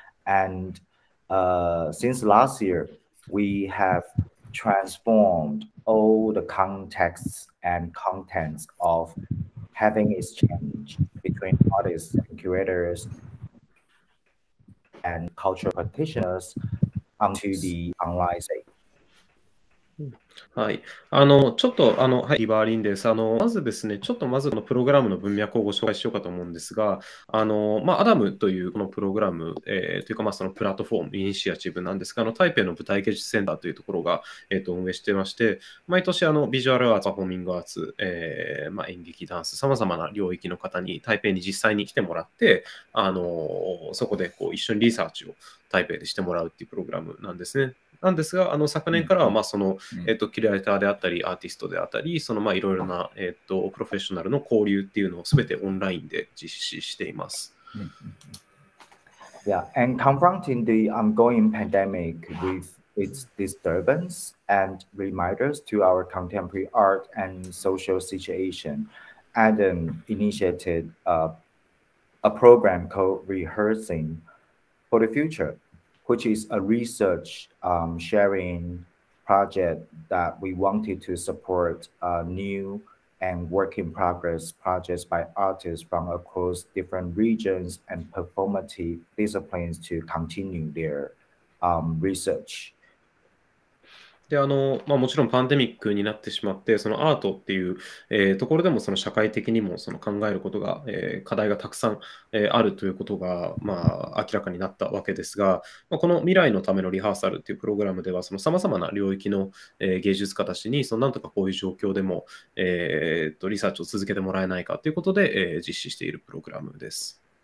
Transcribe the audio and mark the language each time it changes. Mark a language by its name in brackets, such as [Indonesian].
[English] And since last year, we have transformed all the contexts and contents of having exchange between artists and curators and cultural practitioners onto the online stage. [Japanese] はい、ちょっと、はい、リバーリンです。まずですね、ちょっとまずこのプログラムの文脈をご紹介しようかと思うんですが、まあ、アダムというこのプログラム、というか、まあ、そのプラットフォーム、イニシアチブなんですが、台北の舞台芸術センターというところが、運営してまして、毎年ビジュアルアーツ、パフォーミングアーツ、まあ、演劇、ダンス、さまざまな領域の方に台北に実際に来てもらって、そこでこう一緒にリサーチを台北でしてもらうというプログラムなんですね。なんですが、昨年からは、まあ、その、キュレーターであったり、アーティストであったり、その、まあ、いろいろな、プロフェッショナルの交流っていうのをすべてオンラインで実施しています。 [English] Yeah, and confronting the ongoing pandemic with its disturbance and reminders to our contemporary art and social situation, Adam initiated a program called Rehearsing for the Future. Which is a research sharing project that we wanted to support new and work in progress projects by artists from across different regions and performative disciplines to continue their research. [Japanese] で、まあ、もちろんパンデミックになってしまって、そのアートっていう、ところでもその社会的にもその考えることが、課題がたくさん、あるということが、まあ、明らかになったわけですが、まあ、この未来のためのリハーサルっていうプログラムでは、そのさまざまな領域の、芸術家たちに、そのなんとかこういう状況でも、リサーチを続けてもらえないかということで、実施しているプログラムです。